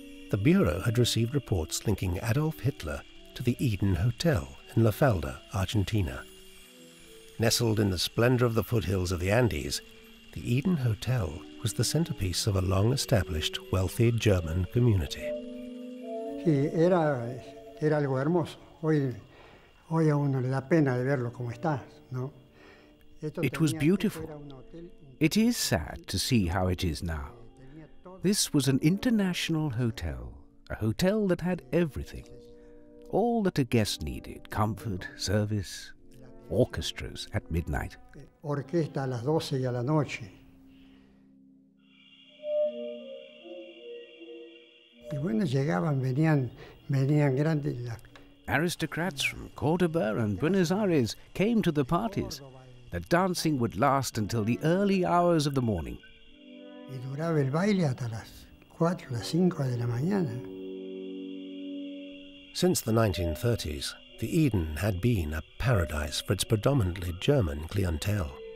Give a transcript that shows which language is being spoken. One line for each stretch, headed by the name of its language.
English: The Bureau had received reports linking Adolf Hitler to the Eden Hotel in La Falda, Argentina. Nestled in the splendor of the foothills of the Andes, the Eden Hotel was the centerpiece of a long-established, wealthy German community.
Spanish: Sí, era algo hermoso. Hoy a uno le da pena de verlo como está, ¿no?
English: It was beautiful. It is sad to see how it is now. This was an international hotel, a hotel that had everything. All that a guest needed, comfort, service, orchestras at midnight.
Spanish: Orquesta a las 12 y a la noche. Y bueno, llegaban, venían grandes.
English: Aristocrats from Cordoba and Buenos Aires came to the parties. The dancing would last until the early hours of the morning.
Spanish: Y duraba el baile hasta las 4, las 5 de la mañana.
English: Since the 1930s, the Eden had been a paradise for its predominantly German clientele.